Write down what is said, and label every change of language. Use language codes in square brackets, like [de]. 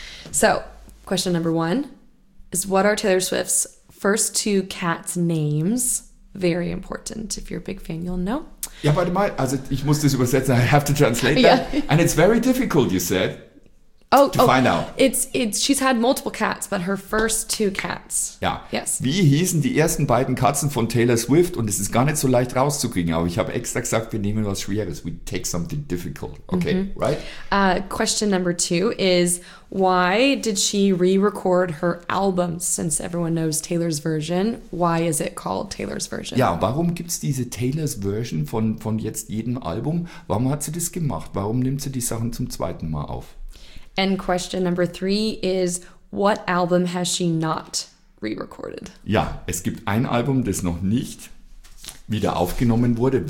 [en] So, question number one is, what are Taylor Swift's first two cats' names? Very important. If you're a big fan, you'll know. [de] Ja, warte mal. Also ich muss das übersetzen. [en] I have to translate that. Yeah. And it's very difficult, you said. find out. She's had multiple cats, but her first two cats. [de] Ja. [en] Yes. [de] Wie hießen die ersten beiden Katzen von Taylor Swift? Und es ist gar nicht so leicht rauszukriegen, aber ich habe extra gesagt, wir nehmen was Schweres. [en] We take something difficult. Okay, mm-hmm. Right? Question number two is, why did she re-record her albums? Since everyone knows Taylor's version, why is it called Taylor's version? [de] Ja, warum gibt's diese Taylor's version von jetzt jedem Album? Warum hat sie das gemacht? Warum nimmt sie die Sachen zum zweiten Mal auf? [en] And question number three is, what album has she not re-recorded? [de] Ja, es gibt ein Album, das noch nicht wieder aufgenommen wurde.